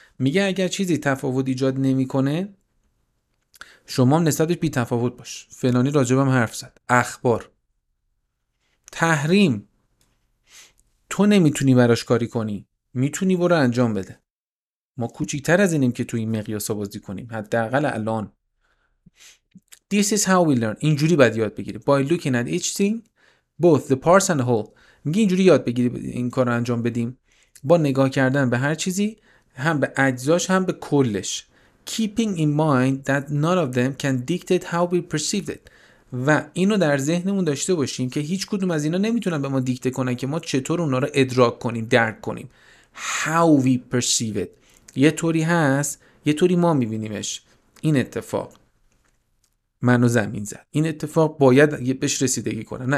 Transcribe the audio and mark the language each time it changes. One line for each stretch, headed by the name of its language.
Persian: میگه اگر چیزی تفاوت ایجاد نمیکنه، شما هم نسبتش بی تفاوت باش. فلانی راجبم حرف زد، اخبار، تحریم، تو نمیتونی براش کاری کنی، میتونی برو انجام بده. ما کوچیک‌تر از اینیم که تو این مقیاس بازی کنیم، حداقل الان.
English: This is how we learn.
Persian: اینجوری باید یاد بگیری.
English: By looking at each thing, both the parts and the whole.
Persian: میگه اینجوری یاد بگیری این کار رو انجام بدیم. با نگاه کردن به هر چیزی، هم به اجزاش هم به کلش.
English: Keeping in mind that none of them can dictate how we perceive it.
Persian: و اینو در ذهنمون داشته باشیم که هیچ کدوم از اینا نمیتونن به ما دیکته کنن که ما چطور اونا رو ادراک کنیم، درک کنیم.
English: How we perceive it.
Persian: یه طوری هست، یه طوری ما میبینیمش. این اتفاق منو زمین زد، این اتفاق باید بهش رسیدگی کنم.